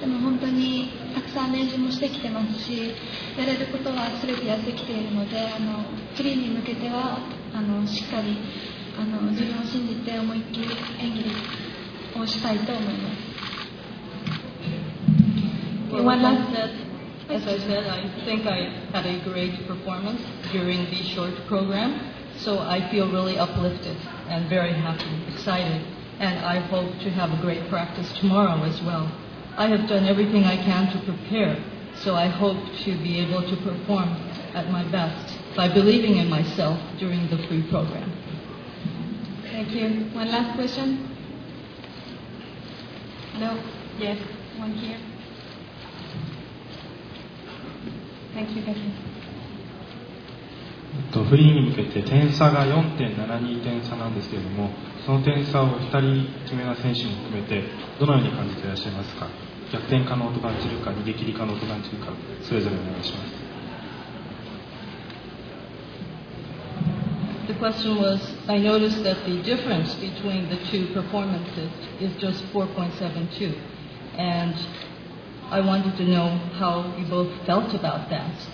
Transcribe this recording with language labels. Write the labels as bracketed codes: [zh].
[ja] でも本当にたくさん練習もしてきてますし、やれることは全てやってきているので、フリーに向けてはしっかり自分を信じて思いっきり演技をしたいと思います。 [en] As I said, I think I had a great performance during the short program, so I feel really uplifted and very happy, excited, and I hope to have a great practice tomorrow as well. I have done everything I can to prepare, so I hope to be able to perform at my best by believing in myself during the free program. Thank you. One last question? No? Yes. One here. Thank you. [ja] フリーに向けて点差が 4.72 点差なんですけれども、その点差を2人決めた選手も含めてどのように感じていらっしゃいますか。逆転可能と感じるか、逃げ切り可能と感じるか、それぞれお願いします。 [en] The question was, I noticed that the difference between the two performances is just 4.72, andI wanted to know how you both felt about that.